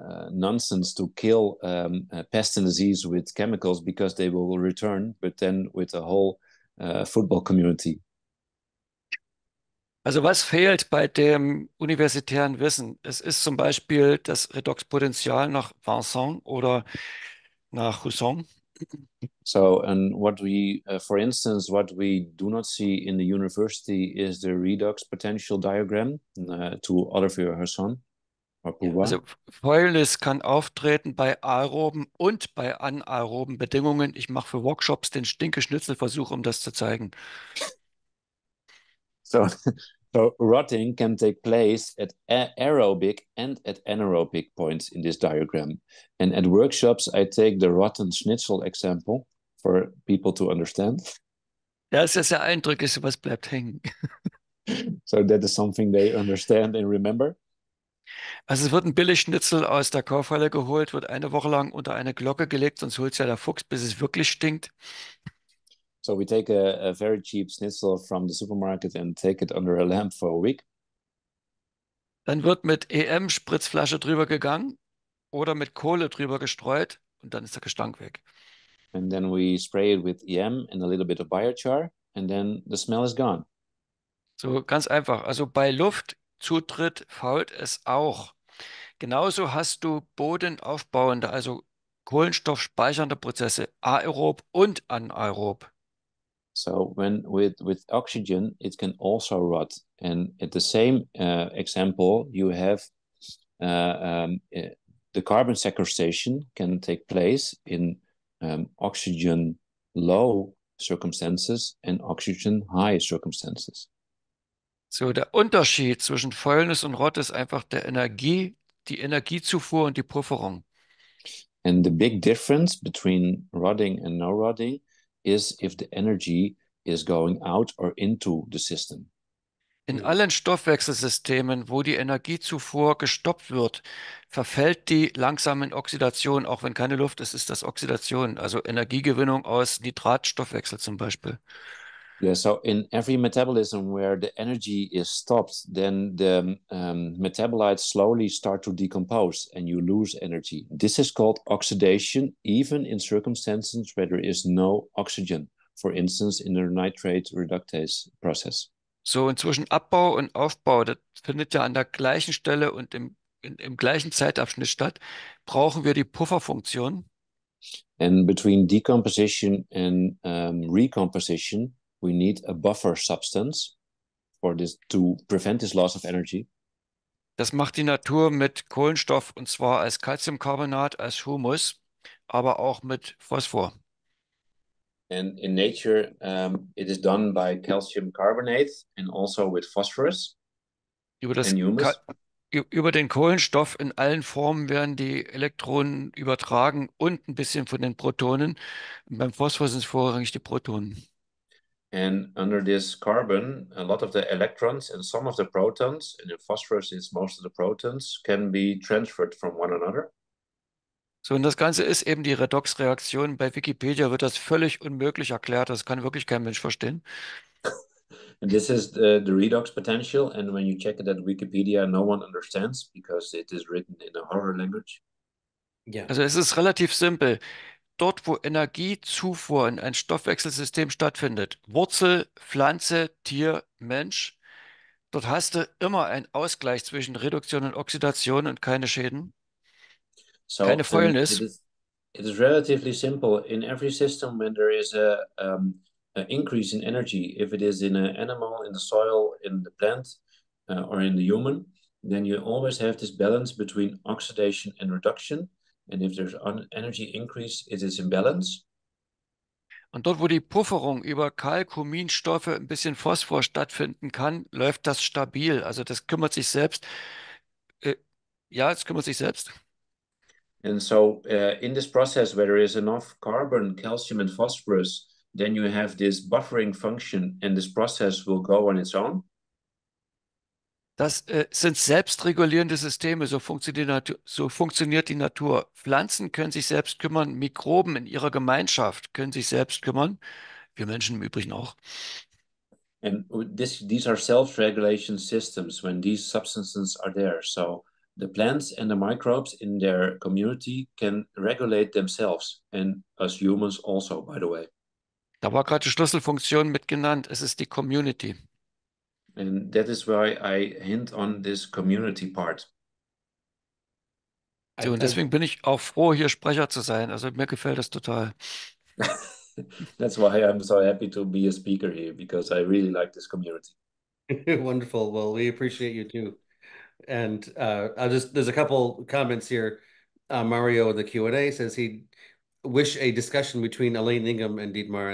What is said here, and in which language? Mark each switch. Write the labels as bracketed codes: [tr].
[en] nonsense to kill pests and disease with chemicals because they will return, but then with a whole football community. [de] Also was fehlt bei dem universitären Wissen? Es ist zum Beispiel das Redoxpotential nach Vincent oder nach Husson. [en] So, and what we, for instance, what we do not see in the university is the redox potential diagram to Olivier Husson. [de] Also Fäulnis kann auftreten bei aeroben und bei anaeroben Bedingungen. Ich mache für Workshops den Stinke-Schnitzel-Versuch, um das zu zeigen. [en] So rotting can take place at aerobic and at anaerobic points in this diagram. And at workshops I take the rotten schnitzel example for people to understand. [de] Das ist ja eindrücklich, was bleibt hängen. [en] So that is something they understand and remember. [de] Also es wird ein Billigschnitzel aus der Kaufhalle geholt, wird eine Woche lang unter eine Glocke gelegt, sonst holt es ja der Fuchs, bis es wirklich stinkt. [en] So we take a very cheap schnitzel from the supermarket and take it under a lamp for a week. [de] Dann wird mit EM-Spritzflasche drüber gegangen oder mit Kohle drüber gestreut und dann ist der Gestank weg. [en] And then we spray it with EM and a little bit of biochar and then the smell is gone. [de] So ganz einfach, also bei Luft Zutritt fault es auch. Genauso hast du bodenaufbauende, also kohlenstoffspeichernde Prozesse, aerob und anaerob. [en] So when with oxygen it can also rot. And at the same example you have the carbon sequestration can take place in oxygen low circumstances and oxygen high circumstances. [de] So der Unterschied zwischen Fäulnis und Rot ist einfach der Energie, die Energiezufuhr und die Pufferung. [en] And the big difference between rotting and no rotting is if the energy is going out or into the system. [de] In allen Stoffwechselsystemen, wo die Energiezufuhr gestoppt wird, verfällt die langsam in Oxidation, auch wenn keine Luft ist, ist das Oxidation, also Energiegewinnung aus Nitratstoffwechsel zum Beispiel. [en] Yeah, so in every metabolism where the energy is stopped, then the metabolites slowly start to decompose and you lose energy. This is called oxidation, even in circumstances where there is no oxygen, for instance, in the nitrate reductase process. [de] So, und zwischen Abbau und Aufbau, das findet ja an der gleichen Stelle und im gleichen Zeitabschnitt statt, brauchen wir die Pufferfunktion. [en] And between decomposition and recomposition, we need a buffer substance for this to prevent this loss of energy. [de] Das macht die Natur mit Kohlenstoff und zwar als Calciumcarbonat, als Humus, aber auch mit Phosphor. [en] And in nature, it is done by calcium carbonate and also with phosphorus and humus. [de] Über den Kohlenstoff in allen Formen werden die Elektronen übertragen und ein bisschen von den Protonen. Und beim Phosphor sind es vorrangig die Protonen. [en] And under this carbon, a lot of the electrons and some of the protons, and in phosphorus is most of the protons, can be transferred from one another. [de] So, und das Ganze ist eben die Redox-Reaktion. Bei Wikipedia wird das völlig unmöglich erklärt. Das kann wirklich kein Mensch verstehen. [en] And this is the redox potential. And when you check it at Wikipedia, no one understands because it is written in a horror language. [de] Yeah. Also es ist relativ simpel. Dort, wo Energiezufuhr in ein Stoffwechselsystem stattfindet, Wurzel, Pflanze, Tier, Mensch, dort hast du immer einen Ausgleich zwischen Reduktion und Oxidation und keine Schäden. So, keine Fäulnis. [en] It is relatively simple. In every system, when there is an increase in energy, if it is in an animal, in the soil, in the plant, or in the human, then you always have this balance between oxidation and reduction. And if there's an energy increase, it is in balance. [de] Und dort, wo die Pufferung über Kalkuminstoffe ein bisschen Phosphor stattfinden kann, läuft das stabil. Also das kümmert sich selbst. Ja, es kümmert sich selbst. [en] And so in this process where there is enough carbon, calcium and phosphorus, then you have this buffering function and this process will go on its own. [de] Das sind selbstregulierende Systeme, so funktioniert die Natur. Pflanzen können sich selbst kümmern, Mikroben in ihrer Gemeinschaft können sich selbst kümmern, wir Menschen im Übrigen auch. [en] And these are self-regulation systems when these substances are there. So the plants and the microbes in their community can regulate themselves and us humans also, by the way. [de] Da war gerade die Schlüsselfunktion mit genannt, es ist die Community. [en] And that is why I hint on this community part. [de] So, und deswegen bin ich auch froh, hier Sprecher zu sein. Also mir gefällt das total. [en] That's why I'm so happy to be a speaker here, because I really like this community. Wonderful. Well, we appreciate you too. And there's a couple comments here. Mario in the Q&A says he'd wish a discussion between Elaine Ingham and Dietmar.